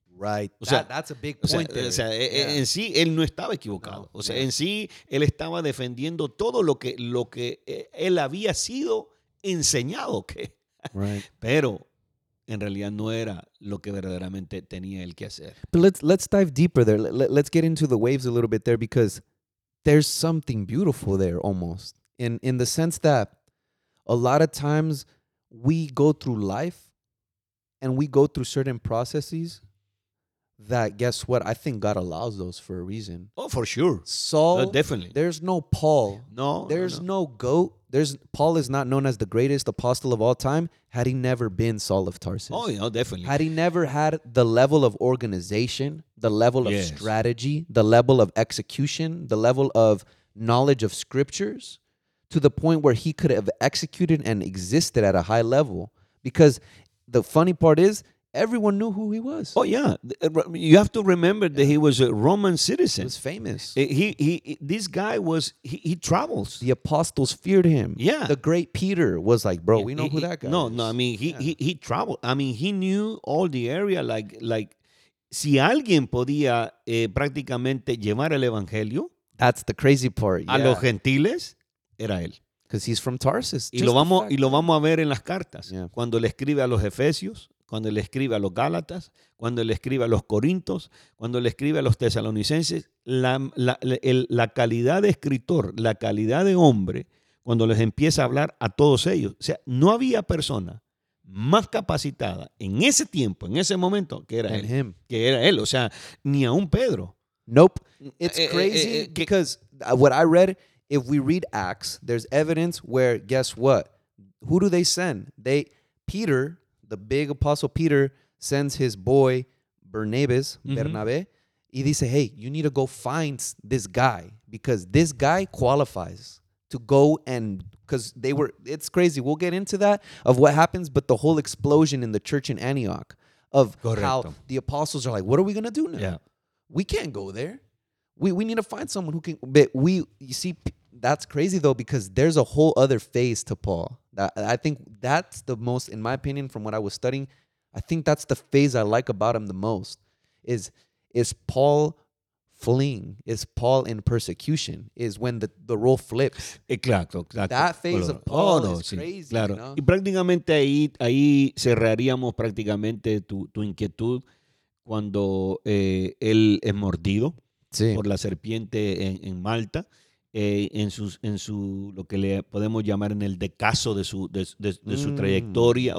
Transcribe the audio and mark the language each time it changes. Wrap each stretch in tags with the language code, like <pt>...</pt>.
<en>Right. That's a big point.</en> <es>En sí, él no estaba equivocado. No, en sí, él estaba defendiendo todo lo que él había sido enseñado que.</es> <en>Right.</en> <es>Pero en realidad no era lo que verdaderamente tenía él que hacer.</es> <en>But let's dive deeper there. Let's get into the waves a little bit there, because there's something beautiful there almost. In the sense that a lot of times we go through life and we go through certain processes that, guess what, I think God allows those for a reason. Oh, for sure. Saul, definitely. There's no Paul. No. There's no GOAT. Paul is not known as the greatest apostle of all time had he never been Saul of Tarsus. Oh, yeah, definitely. Had he never had the level of organization, the level of strategy, the level of execution, the level of knowledge of scriptures, to the point where he could have executed and existed at a high level. Because the funny part is, everyone knew who he was. Oh, yeah. You have to remember that he was a Roman citizen. He was famous. This guy travels. The apostles feared him. Yeah. The great Peter was like, bro, we know who that guy is. No, I mean, he traveled. I mean, he knew all the area.</en> <es>Like, si alguien podía prácticamente llevar el evangelio.</es> <en>That's the crazy part.</en> <es>A los gentiles, era él.</es> <en>Because he's from Tarsus.</en> <es>Y lo vamos a ver en las cartas. Yeah. Cuando le escribe a los Efesios, cuando le escribe a los Gálatas, cuando le escribe a los Corintios, cuando le escribe a los Tesalonicenses, la calidad de escritor, la calidad de hombre, cuando les empieza a hablar a todos ellos. O sea, no había persona más capacitada en ese tiempo, en ese momento, que era él. Que era él. O sea, ni aún Pedro.</es> <en>Nope. It's crazy because what I read, if we read Acts, there's evidence where, guess what? Who do they send? Peter, the big apostle Peter, sends his boy, Bernabes, Bernabé,</en> <es>y dice,</es> <en>hey, you need to go find this guy because this guy qualifies to go and, because they were, it's crazy. We'll get into that of what happens, but the whole explosion in the church in Antioch of how the apostles are like, what are we going to do now? Yeah. We can't go there. We need to find someone who can, but we, you see, that's crazy though, because there's a whole other phase to Paul. I think that's the most, in my opinion, from what I was studying, I think that's the phase I like about him the most is Paul fleeing, is Paul in persecution, is when the role flips.</en> <es>Exacto, exacto.</es> <en>That phase of Paul is crazy.</en> <es>Sí, claro.</es> <en>You know?</en> <es>Y prácticamente ahí cerraríamos prácticamente tu inquietud cuando él es mordido. Sí. Por la serpiente en Malta, en su lo que le podemos llamar en el decaso de su trayectoria.</es>